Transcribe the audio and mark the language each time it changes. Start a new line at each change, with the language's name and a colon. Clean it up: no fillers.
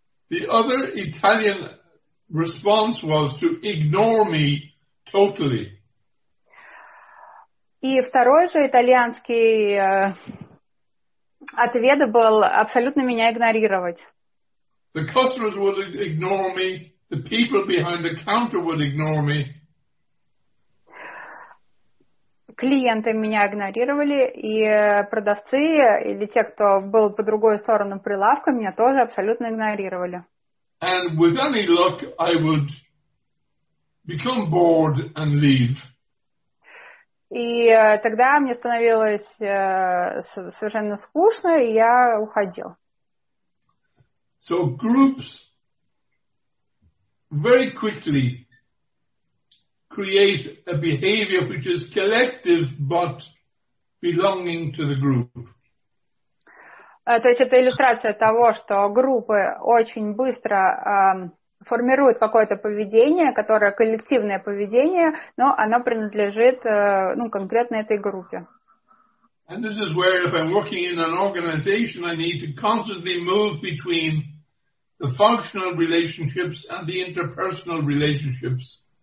English: The other Italian response was to ignore me totally.
Russian: И второй же итальянский ответ был абсолютно меня игнорировать.
English: The customers would ignore me, the people behind the counter would ignore me.
Russian: Клиенты меня игнорировали, и продавцы, или те, кто был по другую сторону прилавка, меня тоже абсолютно игнорировали.
English: And with any luck, I would become bored and leave.
Russian: И тогда мне становилось совершенно скучно, и я уходил.
English: So groups very quickly create a behavior which is collective but belonging to the group.
Russian: То есть это иллюстрация того, что группы очень быстро формируют какое-то поведение, которое коллективное поведение, но оно принадлежит конкретно этой группе.
English: And this is where if I'm working in an organization, I need to constantly move between the functional relationships and the interpersonal relationships.